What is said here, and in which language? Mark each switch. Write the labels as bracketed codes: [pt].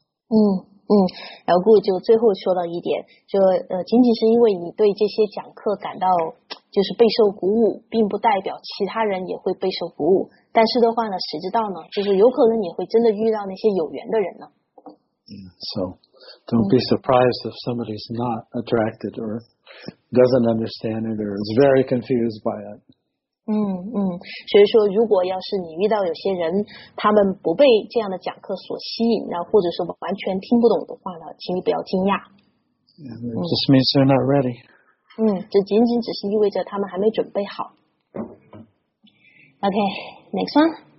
[zh] 嗯，然后顾就最后说了一点，就仅仅是因为你对这些讲课感到就是备受鼓舞，并不代表其他人也会备受鼓舞。但是的话呢，谁知道呢？就是有可能你会真的遇到那些有缘的人呢。 [en] So don't be surprised if somebody's not attracted or doesn't understand it or is very confused by it. [zh] 所以说如果要是你遇到有些人他们不被这样的讲课所吸引，那或者说完全听不懂的话呢，请你不要惊讶。 [en] It just means they're not ready. [zh] 这仅仅只是意味着他们还没准备好。 [en] OK, next one.